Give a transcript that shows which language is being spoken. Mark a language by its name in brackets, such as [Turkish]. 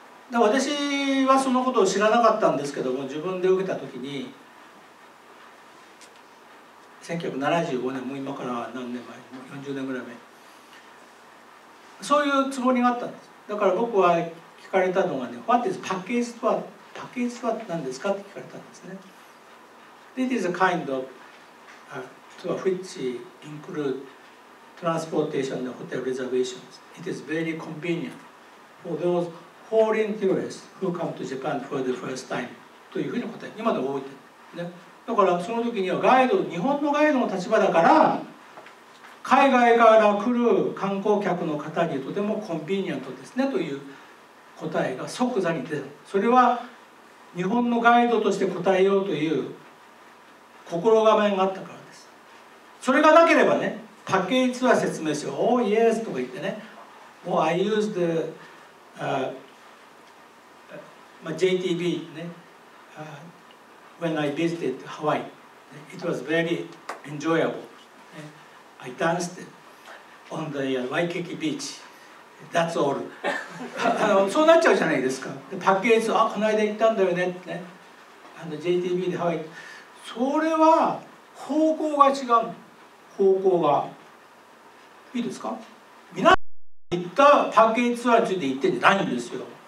[Japanese] だから私はそのことを知らなかったんですけども、自分で受けた時に1975年、もう今から何年前、もう40年ぐらい前、そういうつもりがあったんです。だから僕は聞かれたのがね、 [English] What is package [Japanese] とは、パッケージとは何ですかって聞かれたんですね。 [English] It is a kind of to which include transportation and hotel reservations. It is very convenient for those foreign tourists who come to Japan for the first time [Japanese] というふうに答え、今でも覚えてるね。だからその時にはガイド、日本のガイドの立場だから、海外から来る観光客の方にとてもコンビニエントですねという答えが即座に出る。それは日本のガイドとして答えようという心構えがあったからです。それがなければね、パッケージツアー説明書、 [English] Oh yes とか言ってね、Oh I used the JTB ね、When I visited Hawaii, it was very enjoyable. I danced on the Waikiki beach. That's all. [Japanese] そうなっちゃうじゃないですか。でパッケージ、あ、この間行ったんだよね。ね、JTB でハワイ。それは方向が違う。方向が。いいですか。皆さん行ったパッケージツアーについて言ってないんですよ。